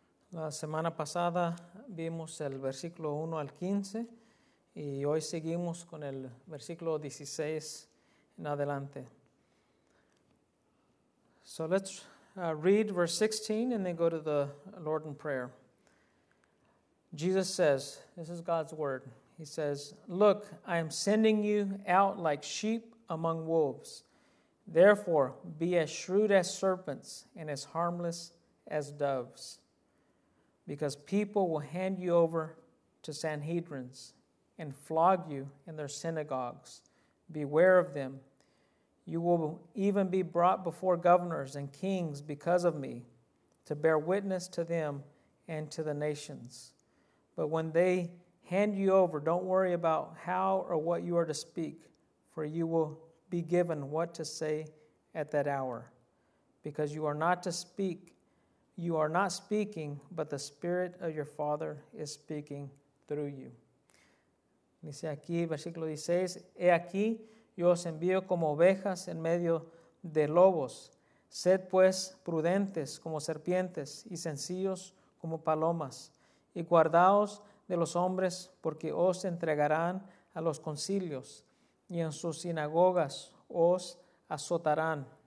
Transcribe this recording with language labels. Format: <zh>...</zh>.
<es>La semana pasada vimos el versículo 1 al 15 y hoy seguimos con el versículo 16 en adelante.</es> <en>So let's read verse 16 and then go to the Lord in prayer. Jesus says, this is God's word. He says, "Look, I am sending you out like sheep among wolves. Therefore, be as shrewd as serpents and as harmless as doves. Because people will hand you over to Sanhedrins and flog you in their synagogues. Beware of them. You will even be brought before governors and kings because of me, to bear witness to them and to the nations. But when they hand you over, don't worry about how or what you are to speak, for you will be given what to say at that hour. Because you are not to speak, you are not speaking, but the Spirit of your Father is speaking through you."</en> <es>Dice aquí, versículo 16, "He aquí, yo os envío como ovejas en medio de lobos. Sed pues prudentes como serpientes y sencillos como palomas. Y guardaos de los hombres, porque os entregarán a los concilios, y en sus sinagogas os azotarán.</es>